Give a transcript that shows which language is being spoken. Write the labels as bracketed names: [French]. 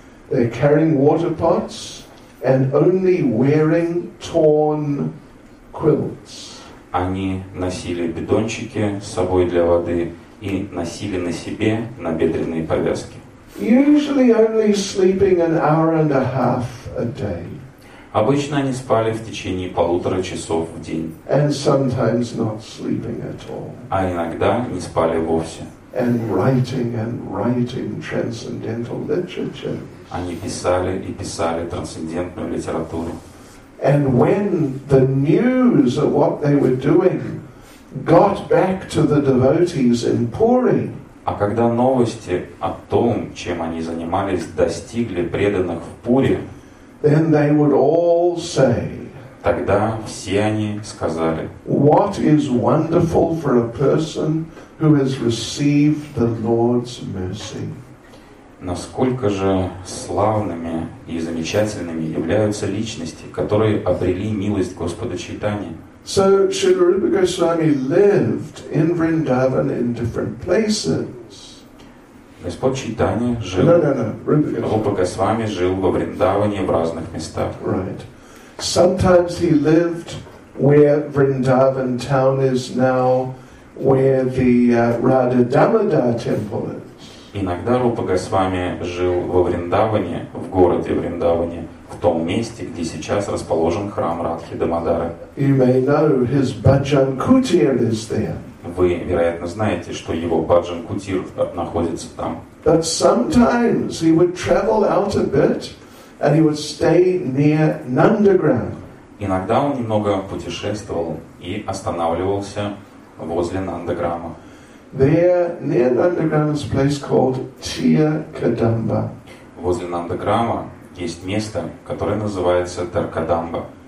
[English] They were carrying water pots and only wearing torn quilts. [Russian] Они носили бидончики с собой для воды и носили на себе набедренные повязки. [English] Usually only sleeping an hour and a half a day. [Russian] Обычно они спали в течение полутора часов в день. [English] And sometimes not sleeping at all. [Russian] А иногда не спали вовсе. [English] And writing and writing transcendental literature. [Russian] Они писали и писали трансцендентную литературу. [English] And when the news of what they were doing got back to the devotees in Puri. [Russian] А когда новости о том, чем они занимались, достигли преданных в Пури, [English] then they would all say, [Russian] тогда все они сказали, [English] what is wonderful for a person who has received the Lord's mercy. [Russian] Насколько же славными и замечательными являются личности, которые обрели милость Господа Чайтаньи. [English] So Srila Rupa Goswami lived in Vrindavan in different places. [Russian] Господь Чайтанья жил. Рупа Госвами жил во Вриндаване в разных местах. [English] Right. Sometimes he lived where Vrindavan town is now, where the Radha Damodar temple is. [Russian] Иногда Рупа Госвами жил во Вриндаване, в городе Вриндаване, в том месте, где сейчас расположен храм Радхи Дамодары. [English] You may know his Bhajan Kutir is there. [Russian] Вы, вероятно, знаете, что его Bhajan Kutir находится там. [English] But sometimes he would travel out a bit and he would stay near Nandagram. [Russian] Иногда он немного путешествовал и останавливался возле Нандаграма. [English] There, near Nandagrama, is a place called Tir Kadamba. [Russian] Возле Нандаграма есть место, которое называется Таркадамба.